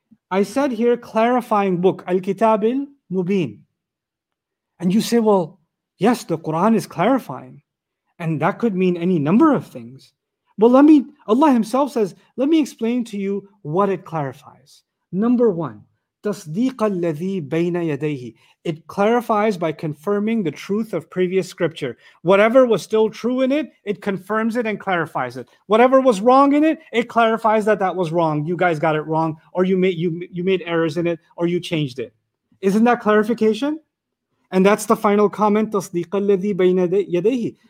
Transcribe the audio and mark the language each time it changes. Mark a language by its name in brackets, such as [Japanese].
[English] I said here, clarifying book, Al-Kitabil Mubin. And you say, well, yes, the Quran is clarifying. And that could mean any number of things. Well, Allah Himself says, let me explain to you what it clarifies. Number one, [Arabic] تَصْدِيقَ الَّذِي بَيْنَ يَدَيْهِ. [English] It clarifies by confirming the truth of previous scripture. Whatever was still true in it, it confirms it and clarifies it. Whatever was wrong in it, it clarifies that was wrong. You guys got it wrong, or you made errors in it, or you changed it. Isn't that clarification? And that's the final comment, [Arabic] تَصْدِيقَ الَّذِي بَيْنَ يَدَيْهِ.